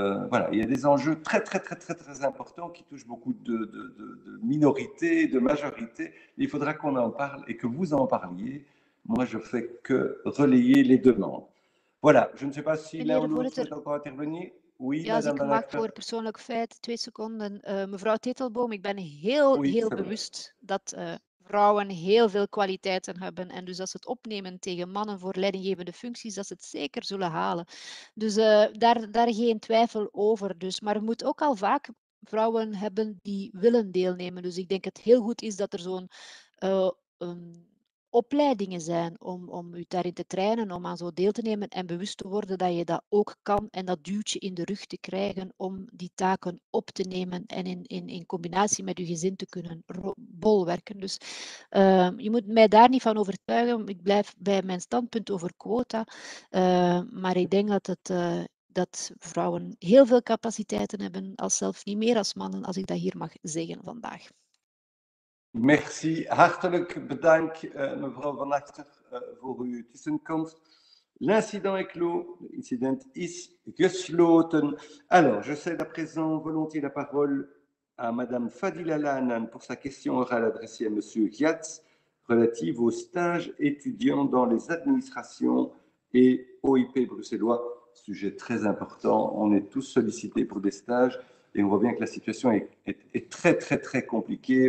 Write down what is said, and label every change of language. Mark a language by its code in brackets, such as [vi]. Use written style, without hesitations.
[fr] Voilà, il y a des enjeux très, très, très, très, très importants qui touchent beaucoup de minorités, de majorités. Il faudra qu'on en parle et que vous en parliez. Moi, je ne fais que relayer les demandes. Voilà, je ne sais pas si l'un ou l'autre peut encore intervenir. Oui, [nl] ja, als ik mag Achter. Voor persoonlijk feit, 2 seconden. Mevrouw Tettelboom, ik ben heel, oui, heel bewust dat vrouwen heel veel kwaliteiten hebben. En dus als ze het opnemen tegen mannen voor leidinggevende functies, dat ze het zeker zullen halen. Dus daar geen twijfel over. Dus. Maar het moet ook al vaak vrouwen hebben die willen deelnemen. Dus ik denk het heel goed is dat er zo'n opleidingen zijn om u daarin te trainen, om aan zo deel te nemen en bewust te worden dat je dat ook kan en dat duwtje in de rug te krijgen om die taken op te nemen en in combinatie met uw gezin te kunnen bolwerken. Dus je moet mij daar niet van overtuigen, ik blijf bij mijn standpunt over quota, maar ik denk dat dat vrouwen heel veel capaciteiten hebben, als zelf niet meer als mannen, als ik dat hier mag zeggen vandaag. Merci. Hartelijk bedankt, mevrouw Van Achter, voor uw tussenkomst. [fr] L'incident est clos. [nl] Incident is gesloten. [fr] Alors, je cède à présent volontiers la parole à Madame Fadila Lanan pour sa question orale adressée à Monsieur Giatz relative aux stages étudiants dans les administrations et OIP bruxellois. Sujet très important. On est tous sollicités pour des stages et on voit bien que la situation est très, très, très compliquée.